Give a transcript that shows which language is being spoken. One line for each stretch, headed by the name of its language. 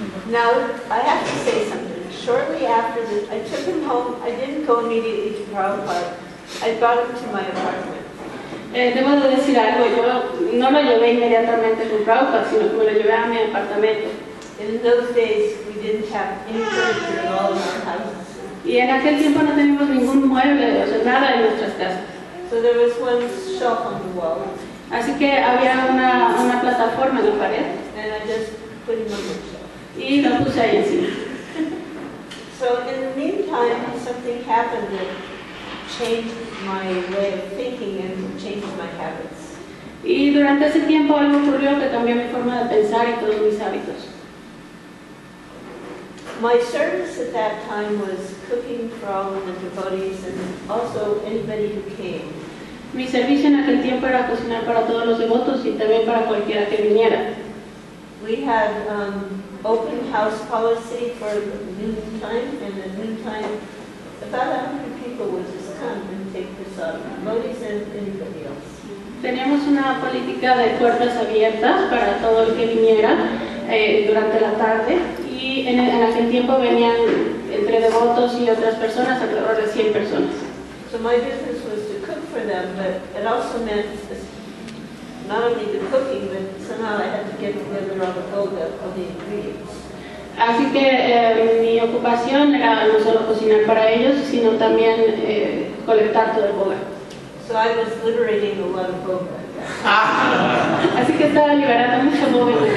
English: Now, I have to say something. Shortly after this, I took him home. I didn't go immediately to Prabhupada. I brought him to my apartment.
Spanish: Debo de decir algo. Yo no lo llevé inmediatamente con Prabhupada, sino que me lo llevé a mi apartamento.
English: In those days, we didn't have any furniture at all in our house.
Spanish: Y en aquel tiempo no teníamos ningún mueble, o sea, nada en nuestras casas.
English: So there was one shelf on the wall.
Spanish: Así que había una plataforma en la pared.
English: And I just put him on the shelf.
Spanish: Y lo puse ahí encima.
English: So in the meantime, something happened that changed my way of thinking and changed my habits.
Spanish: Y durante ese tiempo algo ocurrió que cambió mi forma de pensar y todos mis hábitos.
English: My service at that time was cooking for all the devotees and also anybody who came.
Spanish: Mi servicio en aquel tiempo era cocinar para todos los devotos y también para cualquiera que viniera.
English: We had open house policy for noontime, and at noontime about 100 people would just come and take this up, devotees and anybody else.
Spanish: Teníamos una política de puertas abiertas para todo el que viniera durante la tarde. Y en aquel tiempo venían entre devotos y otras personas, alrededor de 100 personas.
English: So my business was to cook for them, but it also meant not only the cooking, but somehow I had to get together all the ingredients.
Spanish: Así que mi ocupación era no solo cocinar para ellos, sino también colectar todo el boga.
English: So I was liberating a lot of boga.
Spanish: Así que estaba liberando mucho boga.